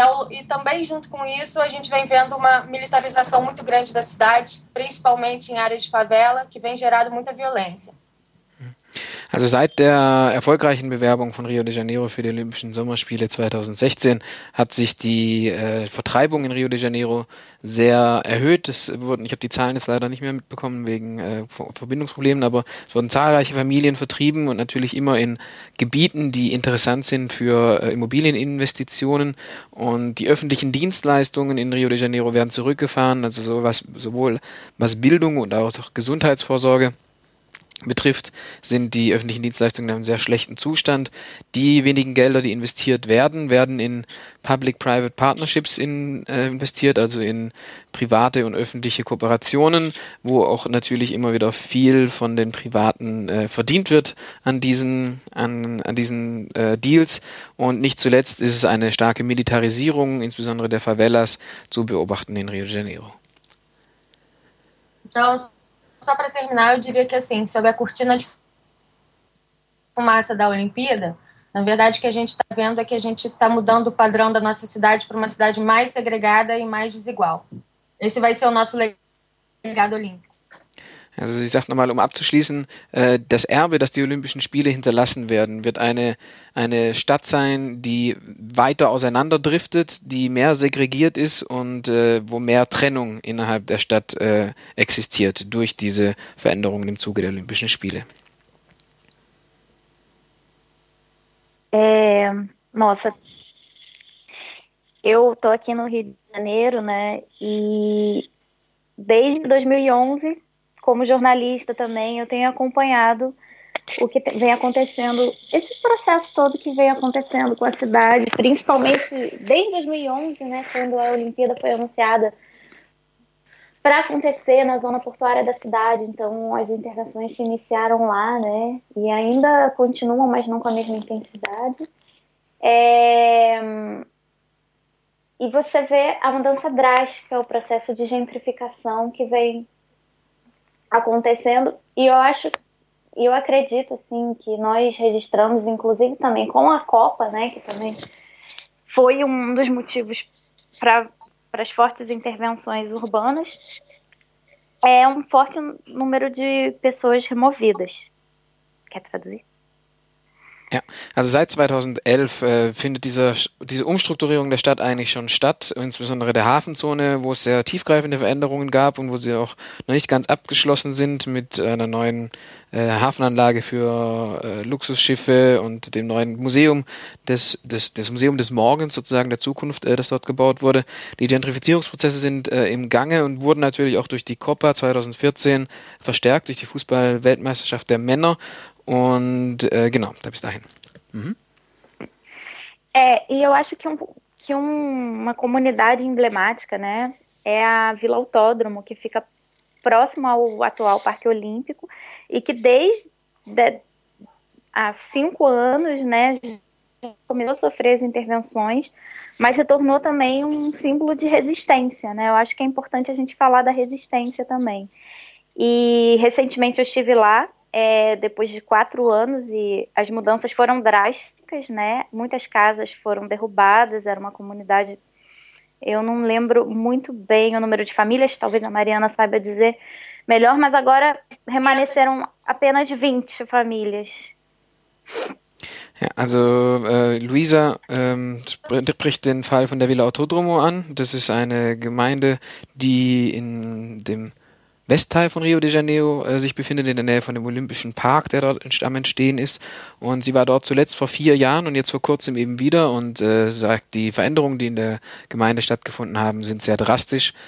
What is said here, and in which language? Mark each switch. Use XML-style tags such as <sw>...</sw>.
<pt>E também junto com isso, a gente vem vendo uma militarização muito grande da cidade, principalmente em áreas de favela, que vem gerando muita violência.</pt> <de>Also seit der erfolgreichen Bewerbung von Rio de Janeiro für die Olympischen Sommerspiele 2016 hat sich die Vertreibung in Rio de Janeiro sehr erhöht. Ich habe die Zahlen jetzt leider nicht mehr mitbekommen wegen Verbindungsproblemen, aber es wurden zahlreiche Familien vertrieben und natürlich immer in Gebieten, die interessant sind für Immobilieninvestitionen. Und die öffentlichen Dienstleistungen in Rio de Janeiro werden zurückgefahren, also sowohl was Bildung und auch Gesundheitsvorsorge betrifft, sind die öffentlichen Dienstleistungen in einem sehr schlechten Zustand. Die wenigen Gelder, die investiert werden, werden in Public-Private Partnerships investiert, also in private und öffentliche Kooperationen, wo auch natürlich immer wieder viel von den Privaten verdient wird an diesen Deals. Und nicht zuletzt ist es eine starke Militarisierung, insbesondere der Favelas, zu beobachten in Rio de Janeiro.</de> <pt>Só para terminar, eu diria que assim, sobre a cortina de fumaça da Olimpíada, na verdade o que a gente está vendo é que a gente está mudando o padrão da nossa cidade para uma cidade mais segregada e mais desigual. Esse vai ser o nosso legado olímpico.</pt> <de>Also sie sagt nochmal, um abzuschließen, das Erbe, das die Olympischen Spiele hinterlassen werden, wird eine Stadt sein, die weiter auseinanderdriftet, die mehr segregiert ist und wo mehr Trennung innerhalb der Stadt existiert durch diese Veränderungen im Zuge der Olympischen Spiele.</de> <pt>Moça, eu tô aqui no Rio de Janeiro, né, e desde 2011... Como jornalista também, eu tenho acompanhado o que vem acontecendo, esse processo todo que vem acontecendo com a cidade, principalmente desde 2011, né, quando a Olimpíada foi anunciada para acontecer na zona portuária da cidade. Então, as intervenções se iniciaram lá, né, e ainda continuam, mas não com a mesma intensidade. E você vê a mudança drástica, o processo de gentrificação que vem acontecendo, e eu acho, eu acredito, assim, que nós registramos, inclusive também com a Copa, né, que também foi um dos motivos para as fortes intervenções urbanas, é um forte número de pessoas removidas. Quer traduzir?</pt> <de>Ja, also seit 2011 findet diese Umstrukturierung der Stadt eigentlich schon statt, insbesondere der Hafenzone, wo es sehr tiefgreifende Veränderungen gab und wo sie auch noch nicht ganz abgeschlossen sind mit einer neuen Hafenanlage für Luxusschiffe und dem neuen Museum, das Museum des Morgens sozusagen, der Zukunft, das dort gebaut wurde. Die Gentrifizierungsprozesse sind im Gange und wurden natürlich auch durch die Copa 2014 verstärkt, durch die Fußball-Weltmeisterschaft der Männer. Und genau, da bis dahin. Mhm.</de> <pt>E eu acho que, uma comunidade emblemática, né, é a Vila Autódromo, que fica próximo ao atual Parque Olímpico e que desde há 5 anos, né, começou a sofrer as intervenções, mas se tornou também um símbolo de resistência, né? Eu acho que é importante a gente falar da resistência também. E recentemente eu estive lá, depois de 4 anos, e as mudanças foram drásticas, né? Muitas casas foram derrubadas, era uma comunidade, eu não lembro muito bem o número de famílias, talvez a Mariana saiba dizer melhor, mas agora remanesceram apenas 20 famílias.</pt> <de>Ja, also Luisa spricht den Fall von der Villa Autódromo an. Das ist eine Gemeinde, die in dem Westteil von Rio de Janeiro sich befindet, in der Nähe von dem Olympischen Park, der dort am Entstehen ist. Und sie war dort zuletzt vor 4 Jahren und jetzt vor kurzem eben wieder und sagt, die Veränderungen, die in der Gemeinde stattgefunden haben, sind sehr drastisch.</de>